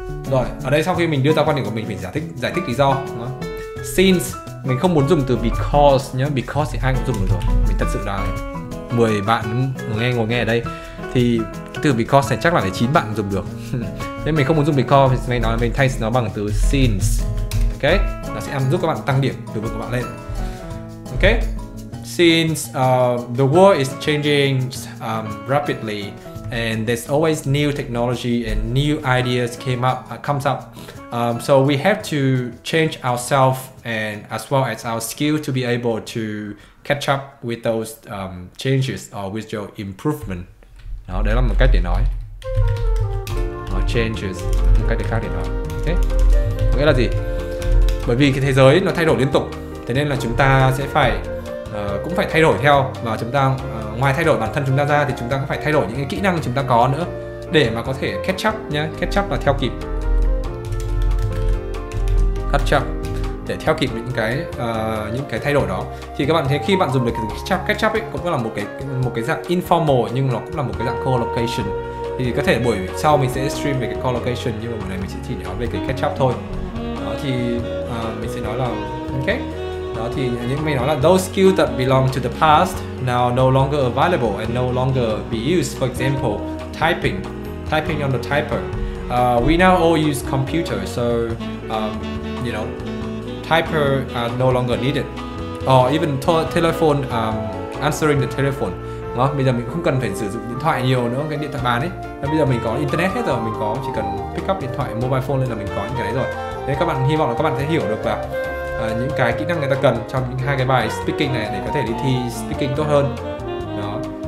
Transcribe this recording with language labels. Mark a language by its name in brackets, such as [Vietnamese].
[Vietnamese] Rồi, ở đây sau khi mình đưa ra quan điểm của mình, mình giải thích lý do. Since, mình không muốn dùng từ because nhé. Because thì ai cũng dùng được rồi. Mình thật sự là 10 bạn ngồi nghe ở đây thì từ because này chắc là 9 bạn dùng được. Nên mình không muốn dùng because, thì mình thay nó bằng từ since. Ok, nó sẽ giúp các bạn tăng điểm từ vựng của bạn lên. [English] Ok, since the world is changing rapidly and there's always new technology and new ideas comes up. So we have to change ourselves and as well as our skill to be able to catch up with those changes or with your improvement. [Vietnamese] Đó, đấy là một cách để nói. [English] Or changes, [Vietnamese] một cách để khác để nói. Okay. Có nghĩa là gì? Bởi vì cái thế giới nó thay đổi liên tục, thế nên là chúng ta sẽ phải cũng phải thay đổi theo, và chúng ta ngoài thay đổi bản thân chúng ta ra thì chúng ta cũng phải thay đổi những cái kỹ năng chúng ta có nữa để mà có thể catch up nhé. Catch up là theo kịp, catch up để theo kịp những cái thay đổi đó. Thì các bạn thấy khi bạn dùng được cái catch up ấy cũng là một cái dạng informal nhưng nó cũng là một cái dạng collocation. Thì có thể buổi sau mình sẽ stream về cái collocation, nhưng mà buổi này mình sẽ chỉ nói về cái catch up thôi. Đó, thì mình sẽ nói là [English] ok. Đó thì những mình nói là those skills that belong to the past now no longer available and no longer be used. For example, typing on the typer. We now all use computers, so you know, typer are no longer needed. Or even telephone, answering the telephone. [Vietnamese] Đó, bây giờ mình không cần phải sử dụng điện thoại nhiều nữa, cái điện thoại bàn ấy. Và bây giờ mình có internet hết rồi, mình có chỉ cần pick up điện thoại mobile phone lên là mình có những cái đấy rồi. Thế các bạn, hy vọng là các bạn sẽ hiểu được là những cái kỹ năng người ta cần trong những hai cái bài speaking này để có thể đi thi speaking tốt hơn. Đó.